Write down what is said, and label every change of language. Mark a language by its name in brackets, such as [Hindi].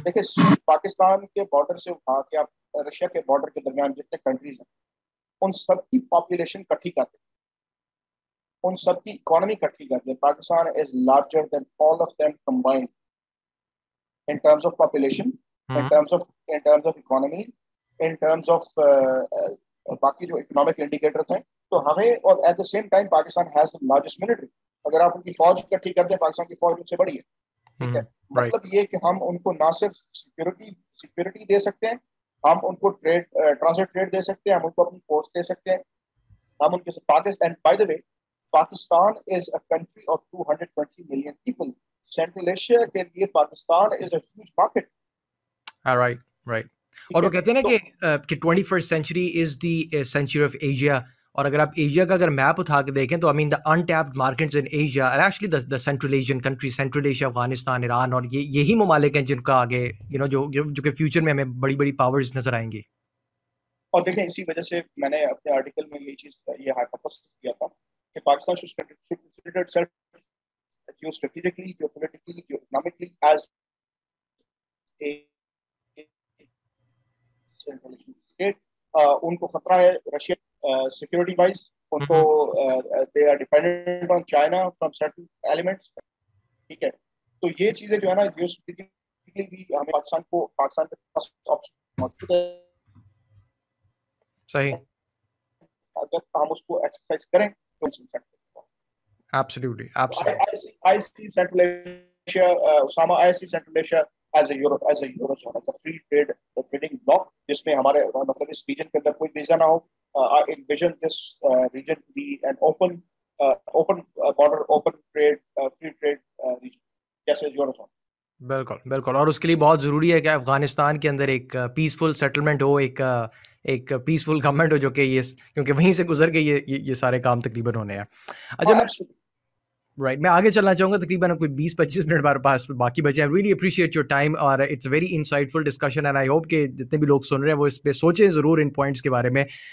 [Hindi] देखिए, पाकिस्तान के बॉर्डर से उठा के आप रशिया के बॉर्डर के दरमियान जितने कंट्रीज हैं उन सबकी पॉपुलेशन इकट्ठी करते, उन सबकी इकोनॉमी इकट्ठी करते, [English] Pakistan is larger than all of them combined in terms of population, in terms of economy, in terms of [Hindi] baki jo [English] economic indicators [Hindi] hain to hame, aur [English] at the same time Pakistan has the largest military. [Hindi] Agar aap unki fauj ikatthi kar de, Pakistan ki fauj unse badi hai. मतलब ये कि हम उनको ना सिर्फ security दे सकते हैं, हम उनको ट्रेड ट्रांसिट ट्रेड दे सकते हैं, हम उनको अपनी फोर्स दे सकते हैं, हम उनके Pakistan. [English] By the way, Pakistan is a country of 220 million people. Central Asia [Hindi] के लिए [English] Pakistan is a huge market. Right right. [Hindi] और वो कहते हैं ना कि 21st sanctuary [English] Is the century of Asia. [Hindi] और अगर आप एशिया का अगर मैप उठा के देखें तो [English] I mean the untapped markets in Asia are actually the central Asian country, [Hindi] central Asia, Afghanistan, Iran, और ये यही ममालिक हैं जिनका आगे [English] you know [Hindi] जो के फ्यूचर में हमें बड़ी बड़ी पावर्स नजर आएंगी. और देखें, इसी वजह से मैंने अपने आर्टिकल में ये चीज ये हाइपोथेसिस किया था कि Pakistan [English] Should consider itself geostrategically, geopolitically, economically as a central state. [Hindi] उनको खतरा है [English] Russia security wise, so they are dependent on China from certain elements. [Hindi] ठीक है, तो ये चीजें जो है ना geostrategically भी हमें पाकिस्तान को पाकिस्तान के पास ऑप्शन मौजूद है. सही, अगर हम उसको एक्सरसाइज करें तो [English] absolutely, absolutely. I see Central Asia, Osama, I see Central Asia as a Europe, as a Eurozone, as a free trade trading bloc, [Hindi] जिसमें हमारे मतलब इस region के अंदर कोई वीजा ना हो. [English] I envision this region to be an open, open border, open trade, free trade region, just as you understand. [Hindi] बिल्कुल बिल्कुल. और उसके लिए बहुत ज़रूरी है कि अफगानिस्तान के अंदर एक पीसफुल सेटलमेंट हो, एक एक पीसफुल गवर्नमेंट हो, जो कि ये क्योंकि वहीं से गुजर के ये सारे काम तकरीबन होने हैं. अच्छा, राइट, मैं आगे चलना चाहूँगा. तकरीबन कोई 20-25 मिनट हमारे पास बाकी बचे हैं. [English] really appreciate your time [Hindi] और [English] it's very insightful discussion and I hope [Hindi] कि जितने भी लोग सुन रहे हैं वो इस पर सोचें ज़रूर इन पॉइंट्स के बारे में.